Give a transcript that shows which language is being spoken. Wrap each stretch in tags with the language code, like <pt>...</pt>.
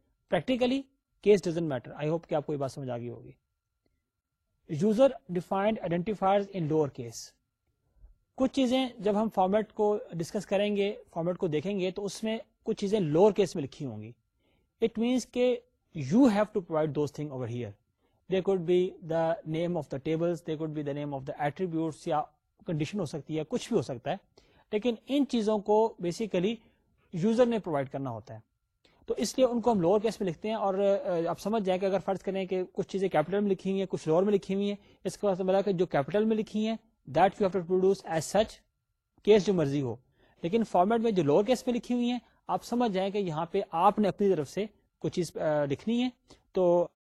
<en>Practically case doesn't matter.</en> <ur>I hope کہ آپ کو یہ بات سمجھ آ گئی ہوگی.</ur> <en>User defined identifiers in lower case.</en> <ur>کچھ چیزیں جب ہم فارمیٹ کو ڈسکس کریں گے, فارمیٹ کو دیکھیں گے, تو اس میں کچھ چیزیں لوور کیس میں لکھی ہوں گی.</ur> <en>It means کہ you have to provide those thing over here. They could be the name of the tables, they could be the name of the attributes,</en> <ur>یا کنڈیشن ہو سکتی ہے, کچھ بھی ہو سکتا ہے, لیکن ان چیزوں کو بیسیکلی یوزر نے پرووائڈ کرنا ہوتا ہے. تو اس لیے ان کو ہم لوور کیس میں لکھتے ہیں. اور آپ سمجھ جائیں کہ اگر فرض کریں کہ کچھ چیزیں کیپیٹل میں لکھی ہوئی ہیں, کچھ لوور میں لکھی ہوئی ہیں, اس کا مطلب ہے کہ جو کیپیٹل میں لکھی ہیں</ur> <en>that you have to produce as such,</en> <ur>case جو مرضی ہو, لیکن فارمیٹ میں جو لوور کیس میں لکھی ہوئی ہیں آپ سمجھ جائیں کہ یہاں پہ آپ نے اپنی طرف سے کچھ چیز لکھنی ہے, تو</ur>